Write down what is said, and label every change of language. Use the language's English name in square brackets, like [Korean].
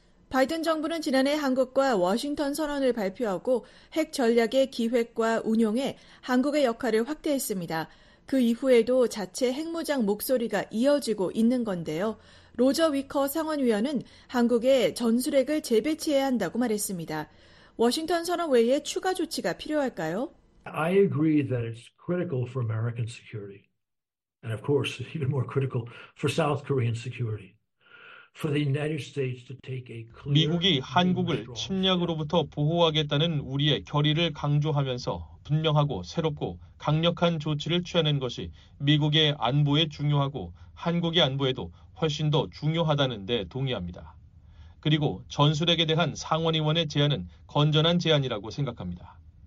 [Korean] 바이든 정부는 지난해 한국과 워싱턴 선언을 발표하고 핵 전략의 기획과 운용에 한국의 역할을 확대했습니다. 그 이후에도 자체 핵무장 목소리가 이어지고 있는 건데요. 로저 위커 상원의원은 한국의 전술핵을 재배치해야 한다고 말했습니다. 워싱턴 선언 외에 추가 조치가 필요할까요? [English] I agree that it's critical for American security. And of course, even more critical for South Korean security. For the United States to take a clear [Korean] 미국이 한국을 침략으로부터 보호하겠다는 우리의 결의를 강조하면서 분명하고 새롭고 강력한 조치를 취하는 것이 미국의 안보에 중요하고 한국의 안보에도 훨씬 더 중요하다는 데 동의합니다. 그리고 전술핵에 대한 상원의원의 제안은 건전한 제안이라고 생각합니다.